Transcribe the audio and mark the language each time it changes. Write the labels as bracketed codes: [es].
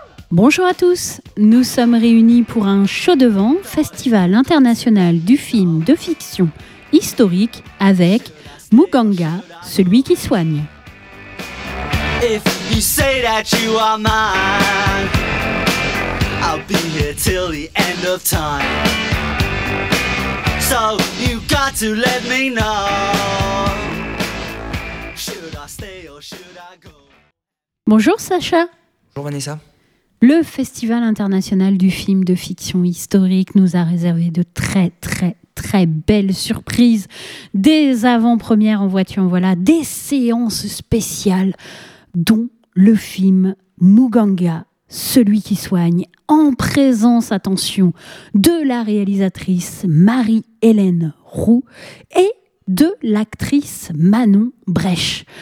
[fr] Bonjour à tous, nous sommes réunis pour un show devant, festival international du film de fiction historique avec Muganga, celui qui soigne. [en] If you say that you are mine, I'll be here till the end of time. So you got to let me know. Should I stay or should I go? [fr] Bonjour Sacha. Bonjour Vanessa. Le Festival international du film de fiction historique nous a réservé de très très très belles surprises. Des avant-premières en voiture, voilà, des séances spéciales, dont le film Muganga, celui qui soigne, en présence, attention, de la réalisatrice Marie-Hélène Roux et de l'actrice Manon Brèche.